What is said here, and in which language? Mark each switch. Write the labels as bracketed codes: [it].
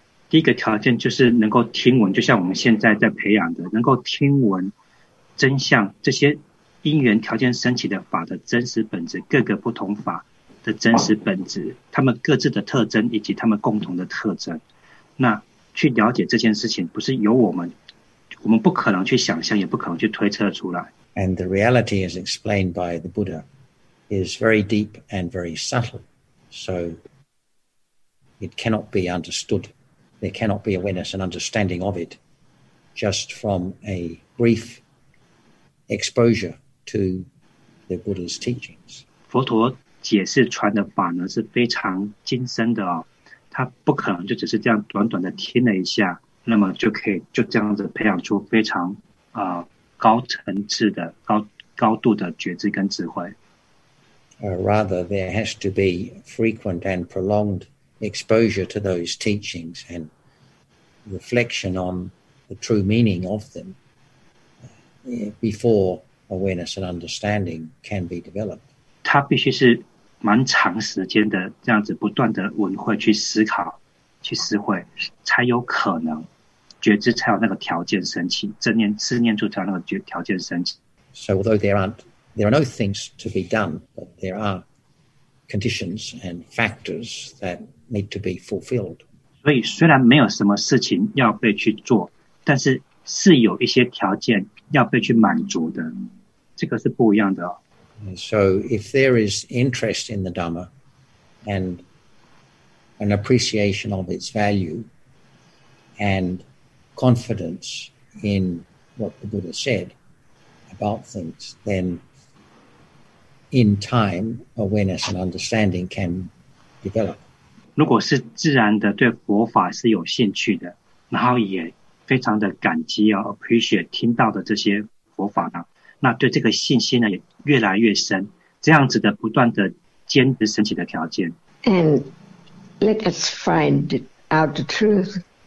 [zh] 第一个条件就是能够听闻，就像我们现在在培养的，能够听闻真相，这些因缘条件升起的法的真实本质，各个不同法的真实本质，他们各自的特征以及他们共同的特征，那去了解这件事情，不是由我们不可能去想象，也不可能去推测出来。 [en] And the reality is explained by the Buddha is very deep and very subtle, so it cannot be understood. There cannot be awareness and understanding of it just from a brief exposure. To the Buddha's teachings. [zh] 佛陀解释传的法呢是非常精深的哦，他不可能就只是这样短短的听了一下，那么就可以就这样子培养出非常高层次的高度的觉知跟智慧。 [en] Rather, there has to be frequent and prolonged exposure to those teachings and reflection on the true meaning of them before. Awareness and understanding can be developed. [zh] 它必须是蛮长时间的这样子不断的闻会去思考去思会才有可能觉知才有那个条件升起正念思念住才有那个条件升起 [en] So although there are no things to be done, but there are conditions and factors that need to be fulfilled. [zh] 所以虽然没有什么事情要被去做但是是有一些条件要被去满足的，这个是不一样的。 [en] So if there is interest in the Dhamma and an appreciation of its value and confidence in what the Buddha said about things, then in time awareness and understanding can develop. [zh] 如果是自然的对佛法是有兴趣的，然后也非常的感激啊 ，appreciate 听到的这些佛法呢，那对这个信心呢也越来越深。这样子的不断的坚持升起的条件。 [en] And let us find out the truth.